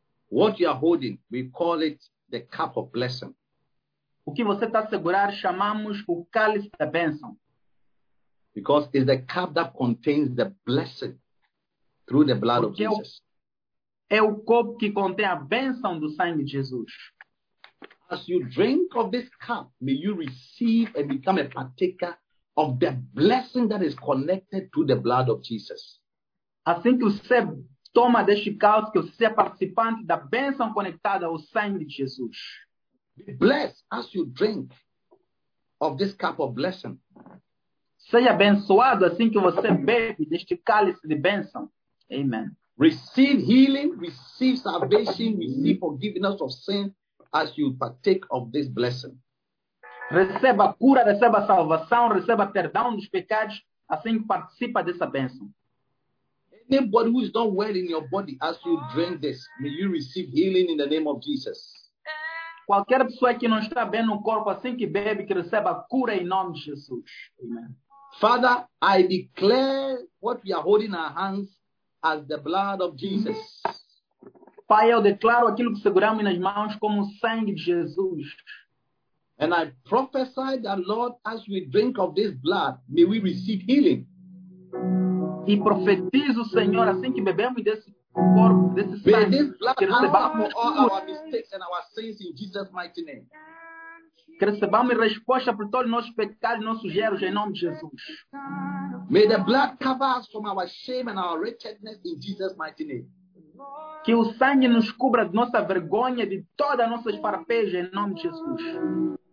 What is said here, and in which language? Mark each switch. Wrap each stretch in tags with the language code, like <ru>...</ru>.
<en>What you are holding, we call it the cup of blessing.</en> <pt>O que você está a segurar, chamamos o cálice da bênção.</pt> <en>Because it's the cup that contains the blessing through the blood</en> <pt>Porque</pt> <en>of Jesus.</en> <pt>É o copo que contém a bênção do sangue de Jesus.</pt> <en>As you drink of this cup, may you receive and become a partaker of the blessing that is connected to the blood of Jesus.</en> <pt>Assim que você toma deste cálice, que você é participante da bênção conectada ao sangue de Jesus.</pt> <en>Be blessed as you drink of this cup of blessing.</en> <pt>Seja abençoado assim que você bebe deste cálice de bênção. Amen.</pt> <en>Receive healing, receive salvation, receive forgiveness of sin as you partake of this blessing.</en> <pt>Receba cura, receba salvação, receba perdão dos pecados assim que participa dessa bênção.</pt> <en>Anybody who is not well in your body, as you drink this, may you receive healing in the name of Jesus.</en> <pt>Qualquer pessoa que não está bem no corpo, assim que bebe, que receba cura em nome de Jesus. Amen.</pt> <en>Father, I declare what we are holding in our hands as the blood of Jesus.</en> <pt>Pai, eu declaro aquilo que seguramos nas mãos como o sangue de Jesus.</pt> <en>And I prophesy that, Lord, as we drink of this blood, may we receive healing.</en> <pt>E profetizo, Senhor, assim que bebemos desse corpo, desse sangue,</pt> <en>may this blood</en> <pt>que recebamos</pt> <en>all our mistakes and our sins in Jesus' mighty name.</en> <pt>Que recebamos resposta por todos os nossos pecados e nossos erros em nome de Jesus.</pt> <en>May the blood cover us from our shame and our wretchedness in Jesus' mighty name.</en> <pt>Que o sangue nos cubra de nossa vergonha e de todas as nossas farpejas em nome de Jesus.</pt>